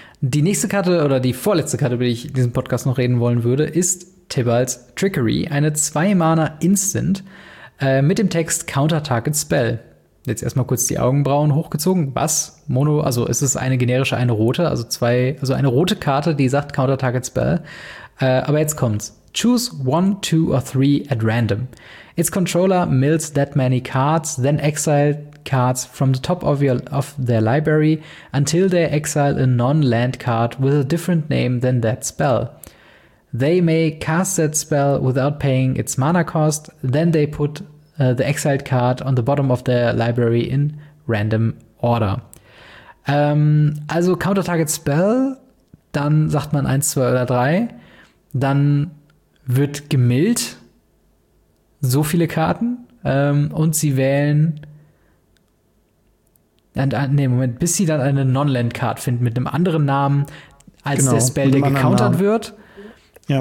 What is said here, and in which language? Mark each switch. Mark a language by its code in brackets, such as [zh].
[de] Die nächste Karte oder die vorletzte Karte, über die ich in diesem Podcast noch reden wollen würde, ist Tibalt's Trickery, eine 2-Mana-Instant mit dem Text Counter-Target-Spell. Jetzt erstmal kurz die Augenbrauen hochgezogen. Was? Mono, also ist es eine generische, eine rote, also zwei, also eine rote Karte, die sagt Counter-Target-Spell. Aber jetzt kommt's. [en] Choose 1, 2 or 3 at random. Its controller mills that many cards, then exile cards from the top of their library until they exile a non-land card with a different name than that spell. They may cast that spell without paying its mana cost, then they put the exiled card on the bottom of the library in random order. [de] Also Counter-Target Spell, dann sagt man 1, 2 oder 3, dann wird gemillt so viele Karten und sie wählen. Moment, bis sie dann eine Non-Land-Card finden mit einem anderen Namen als genau, der Spell, der gecountert Namen. Wird. Ja.